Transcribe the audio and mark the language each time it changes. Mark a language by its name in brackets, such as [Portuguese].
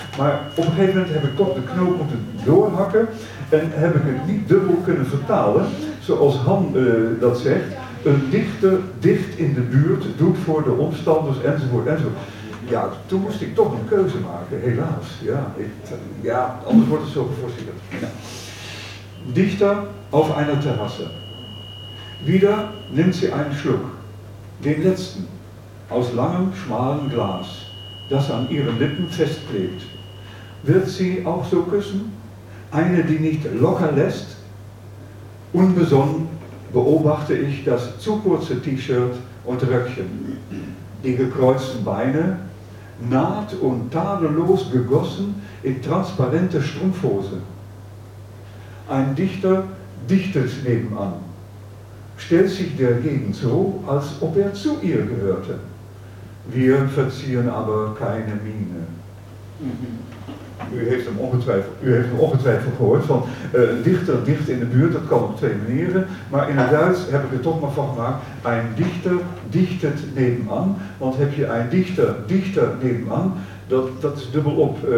[Dutch] Maar op een gegeven moment heb ik toch de knoop moeten doorhakken. En heb ik het niet dubbel kunnen vertalen, zoals Han dat zegt. Een dichter dicht in de buurt doet voor de omstanders enzovoort enzovoort. Ja, toen moest ik toch een keuze maken, helaas. Ja, anders wordt het zo geforceerd. Ja. [German] Dichter auf einer Terrasse. Wieder nimmt sie einen Schluck. Den letzten, aus langem, schmalen Glas, das an ihren Lippen festklebt. Wird sie auch so küssen? Eine, die nicht locker lässt? Unbesonnen beobachte ich das zu kurze T-Shirt und Röckchen, die gekreuzten Beine, naht und tadellos gegossen in transparente Strumpfhose. Ein Dichter dichtet nebenan, stellt sich der Gegend so, als ob er zu ihr gehörte. Wir verziehen aber keine Miene. [Dutch] U heeft hem ongetwijfeld gehoord van een dichter dicht in de buurt, dat kan op twee manieren. Maar in het Duits heb ik er toch maar van gemaakt, een dichter [German] dichtet nebenan. [Dutch] Want heb je een dichter nebenan, dat is dubbel op.